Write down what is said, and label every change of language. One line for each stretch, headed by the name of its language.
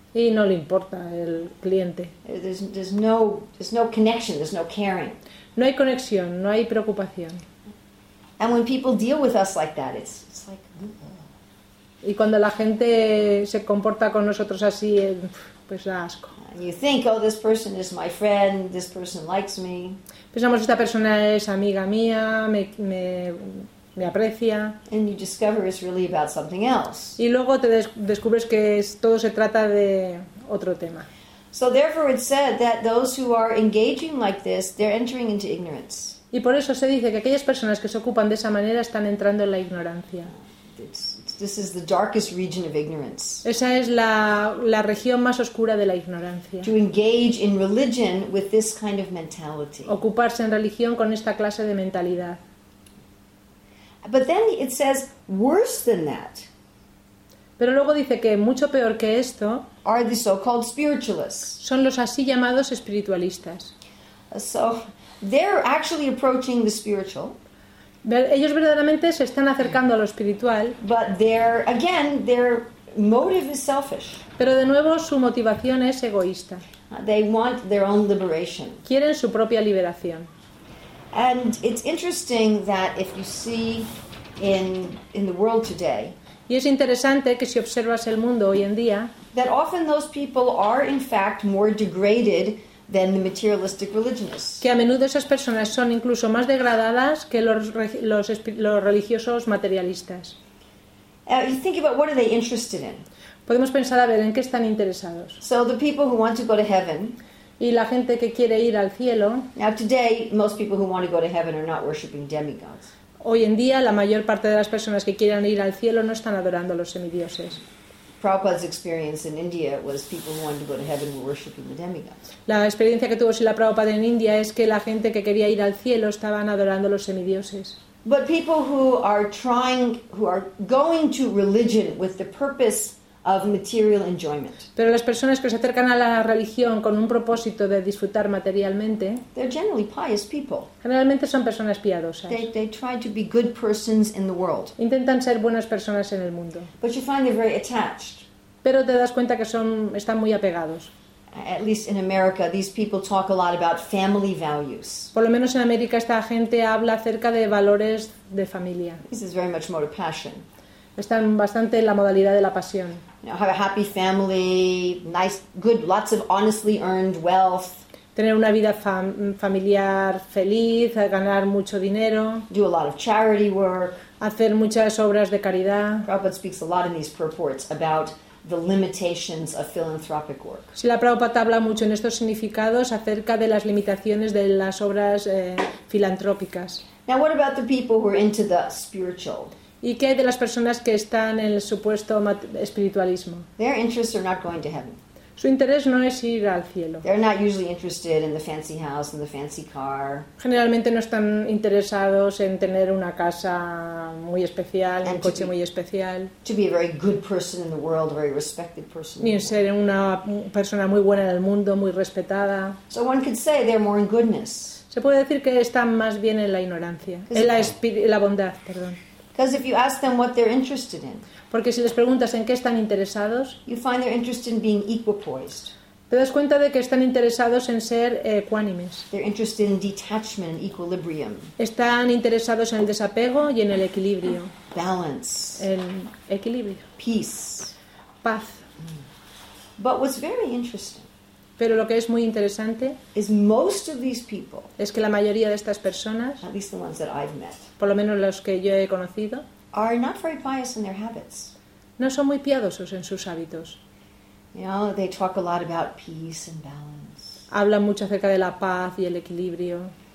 Spanish: Y no le importa el cliente.
English: There's no connection, there's no caring.
Spanish: No hay conexión, no hay preocupación.
English: And when people deal with us like that, it's like.
Spanish: Y cuando la gente se comporta con nosotros así, pues da asco.
English: And you think, oh, this person is my friend, this person likes me.
Spanish: Pensamos, esta persona es amiga mía, me aprecia.
English: And you discover it's really about something else.
Spanish: Y luego te descubres que todo se trata de otro tema.
English: So therefore it's said that those who are engaging like this, they're entering into ignorance.
Spanish: Y por eso se dice que aquellas personas que se ocupan de esa manera están entrando en la ignorancia.
English: This is the darkest region of ignorance.
Spanish: Esa es la región más oscura de la ignorancia.
English: To engage in religion with this kind of mentality.
Spanish: Ocuparse en religión con esta clase de mentalidad.
English: But then it says worse than that.
Spanish: Pero luego dice que mucho peor que esto
English: are the so-called spiritualists.
Spanish: Son los así llamados espiritualistas.
English: So they're actually approaching the spiritual.
Spanish: Ellos verdaderamente se están acercando a lo espiritual.
English: But their motive is selfish.
Spanish: Pero de nuevo su motivación es egoísta.
English: They want their own liberation.
Spanish: Quieren su propia liberación.
English: And it's interesting that if you see in the world today,
Spanish: y es interesante que si observas el mundo hoy en día,
English: that often those people are in fact more degraded than the materialistic religionists.
Spanish: Que a menudo esas personas son incluso más degradadas que los religiosos materialistas.
English: You think about what are they interested in?
Spanish: Podemos pensar a ver en qué están interesados.
English: So the people who want to go to heaven.
Spanish: Y la gente que quiere ir al cielo.
English: Now today, most people who want to go to heaven are not worshiping demigods.
Spanish: Hoy en día, la mayor parte de las personas que quieren ir al cielo no están adorando a los semidioses.
English: Prabhupada's experience in India was people who wanted to go to heaven were worshiping the demigods.
Spanish: La experiencia que tuvo Srila Prabhupada en India es que la gente que quería ir al cielo estaban adorando a los semidioses.
English: But people who are going to religion with the purpose of material enjoyment.
Spanish: Pero las personas que se acercan a la religión con un propósito de disfrutar materialmente,
English: they're generally pious people.
Spanish: Generalmente son personas piadosas.
English: They try to be good persons in the world.
Spanish: Intentan ser buenas personas en el mundo.
English: But you find they're very attached.
Spanish: Pero te das cuenta que están muy apegados.
English: At least in America, these people talk a lot about family values.
Spanish: Por lo menos en América esta gente habla acerca de valores de familia.
English: This is very much more of passion.
Spanish: Están bastante en la modalidad de la pasión.
English: You know, have a happy family, nice, good, lots of honestly earned wealth.
Spanish: Tener una vida familiar feliz, ganar mucho dinero.
English: Do a lot of charity work.
Spanish: Hacer muchas obras de caridad.
English: Prabhupada speaks a lot in these purports about the limitations of philanthropic work.
Spanish: Si la Prabhupada habla mucho en estos significados acerca de las limitaciones de las obras filantrópicas.
English: Now what about the people who are into the spiritual?
Spanish: ¿Y qué hay de las personas que están en el supuesto espiritualismo?
English: Their interests are not going to heaven.
Spanish: Su interés no es ir al cielo.
English: They're not usually interested in the fancy house and the fancy car.
Spanish: Generalmente no están interesados en tener una casa muy especial, un coche muy especial.
English: To be a very good person in the world, a very respected person.
Spanish: Ni en ser una persona muy buena en el mundo, muy respetada.
English: So one could say they're more in goodness.
Spanish: Se puede decir que están más bien en la ignorancia, en la bondad, perdón.
English: Because if you ask them what they're interested in,
Spanish: porque si les preguntas en qué están interesados,
English: you find they're interested in being equipoised.
Spanish: Te das cuenta de que están interesados en ser ecuánimes.
English: They're interested in detachment and equilibrium.
Spanish: Están interesados en el desapego y en el equilibrio.
English: Balance.
Spanish: El equilibrio.
English: Peace.
Spanish: Paz.
English: But what's very interesting,
Spanish: pero lo que es muy interesante,
English: is most of these people,
Spanish: es que la mayoría de estas personas,
English: at least the ones that I've met,
Spanish: por lo menos los que yo he conocido,
English: are not very pious in their habits.
Spanish: No son muy piadosos en sus hábitos.
English: You know, they talk a lot about peace and balance.
Spanish: Hablan mucho acerca de la paz y el equilibrio.